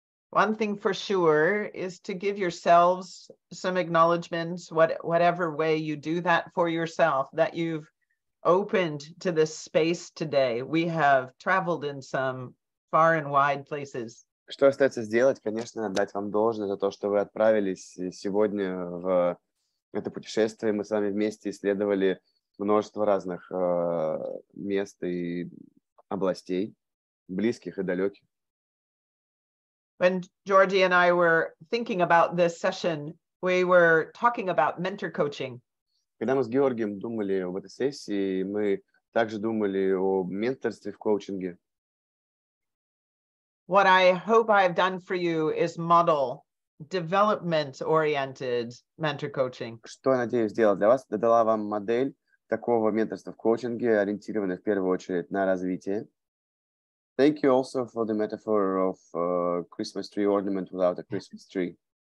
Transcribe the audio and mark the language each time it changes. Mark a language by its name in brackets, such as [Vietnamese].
[English] One thing for sure is to give yourselves some acknowledgement, whatever way you do that for yourself, that you've opened to this space today. We have traveled in some far and wide places. [Russian] Что остается сделать? Конечно, дать вам должное за то, что вы отправились сегодня в это путешествие. Мы с вами вместе исследовали множество разных мест и областей, близких и далеких. [English] When Georgie and I were thinking about this session, we were talking about mentor coaching. [Russian] Когда мы с Георгием думали об этой сессии, мы также думали о менторстве в коучинге. [English] What I hope I've done for you is model development-oriented mentor coaching. [Russian] Что я надеюсь сделать для вас? Дала вам модель такого менторства в коучинге, ориентированное в первую очередь на развитие. [English] Thank you also for the metaphor of Christmas tree ornament without a Christmas tree.